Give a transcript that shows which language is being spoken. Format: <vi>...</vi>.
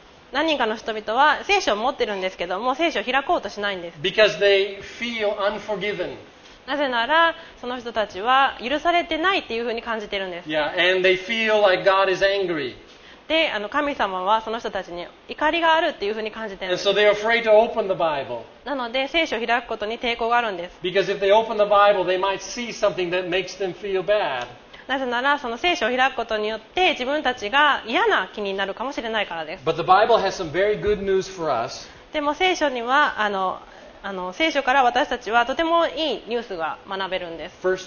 <ja>何人かの人々は聖書を持ってるんですけども聖書を開こうとしないんです。</ja> <en>Because they feel unforgiven.</en> <ja>なぜならその人たちは許されてないっていうふうに感じてるんです。</ja> <en>Yeah, and they feel like God is angry.</en> <ja>で神様はその人たちに怒りがあるっていうふうに感じているんです。</ja> <en>So they're afraid to open the Bible.</en> <ja>なので聖書を開くことに抵抗があるんです。</ja> <en>Because if they open the Bible, they might see something that makes them feel bad.</en> <ja>なぜならその聖書を開くことによって自分たちが嫌な気になるかもしれないからです。</ja> <en>But the Bible has some very good news for us.</en> <ja>でも聖書には聖書から私たちはとてもいいニュースが学べるんです。</ja>